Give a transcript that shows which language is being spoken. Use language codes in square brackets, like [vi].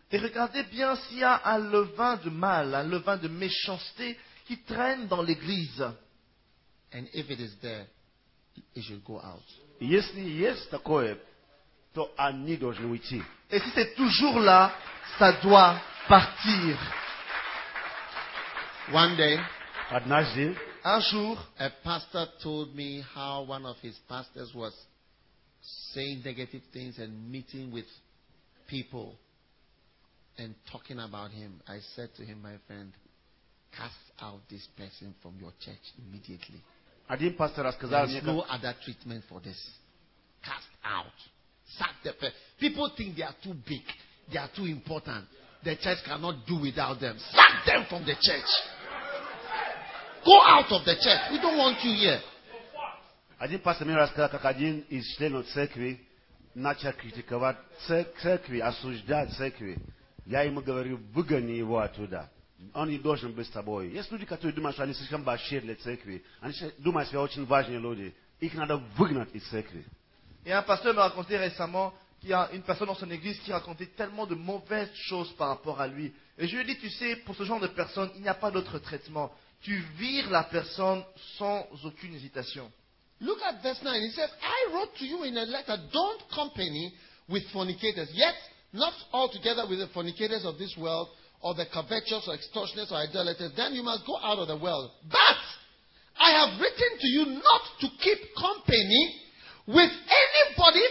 [fr] Et regardez bien s'il y a un levain de mal, un levain de méchanceté qui traîne dans l'église. [en] And if it is there, it should go out. [ru] Если есть такое, то они должны уйти. [fr] Et si c'est toujours là, ça doit partir. [en] One day, [ru] однажды, [fr] un jour, [en] a pastor told me how one of his pastors was saying negative things and meeting with people and talking about him. I said to him, my friend, cast out this person from your church immediately. [ru] Один пастор сказал, [en] there is no other treatment for this. Cast out. Sack the person. People think they are too big. They are too important. The church cannot do without them. Sack them from the church. Go out of the church. We don't want you here. [ru] Один пастор мне рассказал, как один из членов церкви начал критиковать церкви, осуждать церкви. Я ему говорю, выгони его оттуда. Он не должен быть с тобой. Есть люди, которые думают, что они слишком большие для церкви. Они думают, что они очень важные люди. Их надо выгнать из церкви. И один пастор мне рассказал [fr] récemment, qu'il y a une personne dans son église qui racontait tellement de mauvaises choses par rapport à lui. Et je lui ai dit, tu sais, pour ce genre de personne, il n'y a pas d'autre traitement. Tu vires la personne sans aucune hésitation. [en] Look at verse 9. He says, I wrote to you in a letter, don't company with fornicators. Yet, not altogether with the fornicators of this world, or the covetous, or extortionists, or idolaters. Then you must go out of the world. But, I have written to you not to keep company with anybody.